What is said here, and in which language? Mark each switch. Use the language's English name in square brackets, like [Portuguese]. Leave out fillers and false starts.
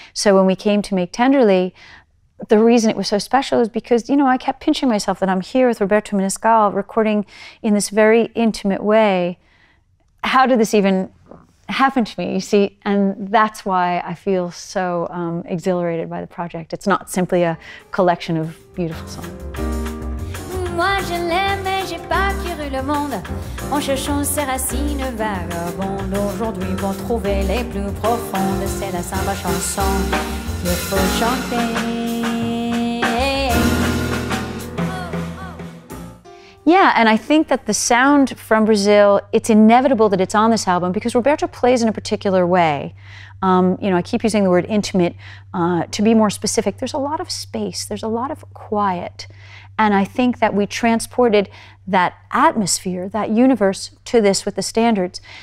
[English] So when we came to make Tenderly, the reason it was so special is because, you know, I kept pinching myself that I'm here with Roberto Menescal recording in this very intimate way. How did this even happen to me, you see? And that's why I feel so exhilarated by the project. It's not simply a collection of beautiful songs. [French] Moi je l'aime et j'ai parcouru le monde en cherchant ses racines vagabondes. Aujourd'hui pour trouver les plus profondes, c'est la simple chanson qu'il faut chanter. [English] Yeah, and I think that the sound from Brazil, it's inevitable that it's on this album because Roberto plays in a particular way. You know, I keep using the word intimate. To be more specific, there's a lot of space, there's a lot of quiet. And I think that we transported that atmosphere, that universe, to this with the standards.